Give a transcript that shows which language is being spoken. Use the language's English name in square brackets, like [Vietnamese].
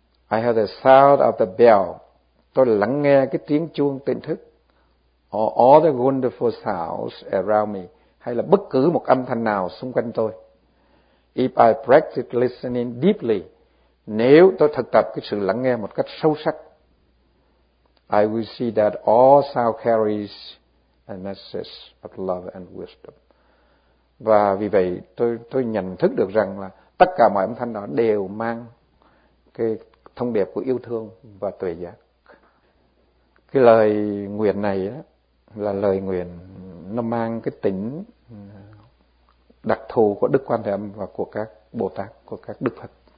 [English] I hear the sound of the bell. [Vietnamese] Tôi lắng nghe cái tiếng chuông tỉnh thức. [English] Or all the wonderful sounds around me. [Vietnamese] Hay là bất cứ một âm thanh nào xung quanh tôi. [English] If I practice listening deeply. [Vietnamese] Nếu tôi thực tập cái sự lắng nghe một cách sâu sắc. [English] I will see that all sound carries a message of love and wisdom. [Vietnamese] Và vì vậy tôi nhận thức được rằng là tất cả mọi âm thanh đó đều mang cái thông điệp của yêu thương và tuệ giác. Cái lời nguyện này đó, là lời nguyện nó mang cái tính đặc thù của Đức Quan Thế Âm và của các Bồ Tát, của các Đức Phật.